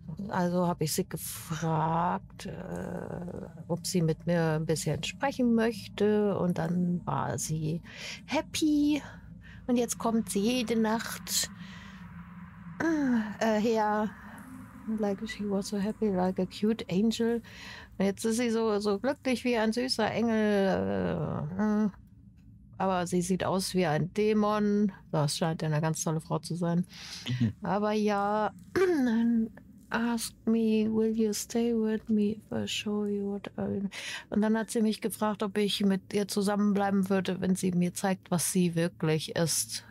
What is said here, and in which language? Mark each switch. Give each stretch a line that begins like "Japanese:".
German: Also habe ich sie gefragt, ob sie mit mir ein bisschen sprechen möchte und dann war sie happy und jetzt kommt sie jede Nacht her,
English: like she was so happy, like a cute angel.
German: Und jetzt ist sie so glücklich wie ein süßer Engel. Aber sie sieht aus wie ein Dämon. Das scheint ja eine ganz tolle Frau zu sein. Aber ja, dann
English: ask me, will you stay with me if I show you what I mean?
German: Und dann hat sie mich gefragt, ob ich mit ihr zusammenbleiben würde, wenn sie mir zeigt, was sie wirklich ist.